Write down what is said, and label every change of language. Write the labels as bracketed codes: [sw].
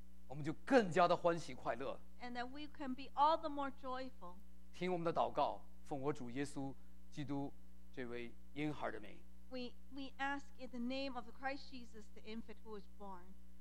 [zh] 我们就更加的欢喜快乐。 [en] And that we can be all the more joyful. [zh] 听我们的祷告，奉我主耶稣基督这位婴孩的名。 [en] We ask in the name of the Christ Jesus, the infant who was born.